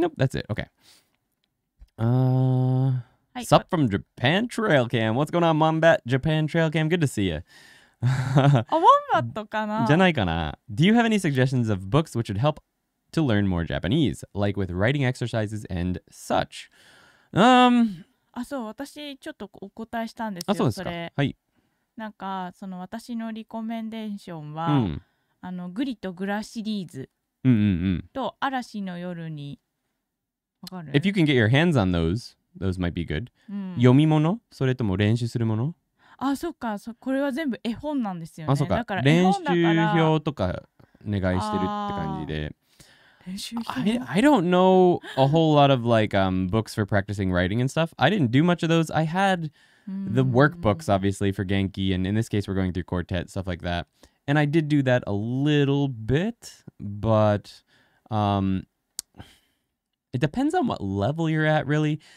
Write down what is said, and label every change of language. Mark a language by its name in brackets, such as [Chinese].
[English] Nope, that's it. Okay. Sup from Japan Trail Cam. What's going on, Wombat? Japan Trail Cam. Good to see you. [Japanese] A wombat かな? じゃないかな? [English] Do you have any suggestions of books which would help to learn more Japanese, like with writing exercises and such? [Japanese] あ、そう。私ちょっとお答えしたんですよ。あ、そうですか。はい。なんかその私のリコメンデーションは、うん、あのグリとグラシリーズと嵐の夜にわかる [English] If you can get your hands on those might be good、 [Japanese] うん、読み物それとも練習するものあそっかそこれは全部絵本なんですよねあそうかだから練習表とか願いしてるって感じで練習表 [English] I don't know a whole lot of like books for practicing writing and stuff I didn't do much of those I hadThe workbooks, obviously, for Genki, and in this case, we're going through Quartet, stuff like that. And I did do that a little bit, but it depends on what level you're at, really.